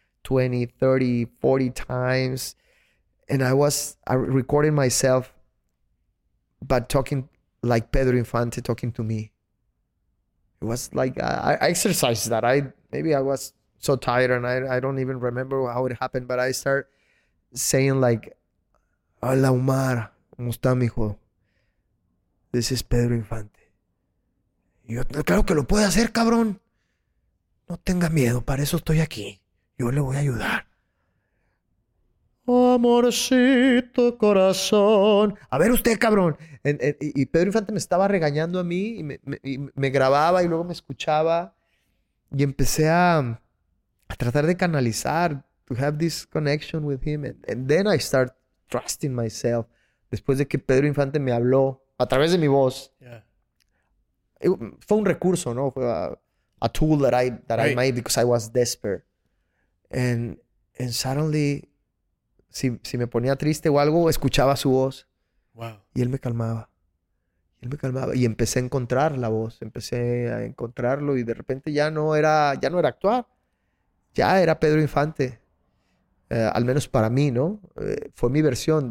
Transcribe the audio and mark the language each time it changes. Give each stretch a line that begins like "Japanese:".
English: 20, 30, 40 times. And I recorded myself, but talking like Pedro Infante talking to me. It was like, I exercised that. Maybe I was so tired and I don't even remember how it happened, but I start saying like,
Spanish: "Hola, Omar, ¿cómo está, mijo?
English: This is Pedro Infante."
Spanish: Y yo, "Claro que lo puede hacer, cabrón. No tenga miedo, para eso estoy aquí. Yo le voy a ayudar." Amorcito corazón. A ver usted, cabrón. Y Pedro Infante me estaba regañando a mí y me grababa y luego me escuchaba. Y empecé a tratar de canalizar,
English: to have this connection with him. And then I start trusting myself.
Spanish: Después de que Pedro Infante me habló a través de mi voz.
English: Yeah.
Spanish: Fue un recurso, ¿no? Fue
English: a tool that I made because I was desperate. And suddenly,
Spanish: si me ponía triste o algo, escuchaba su voz.
English: Wow.
Spanish: Y él me calmaba. Y empecé a encontrar la voz. Empecé a encontrarlo y de repente ya no era actuar. Ya era Pedro Infante. Al menos para mí, ¿no? Fue mi versión.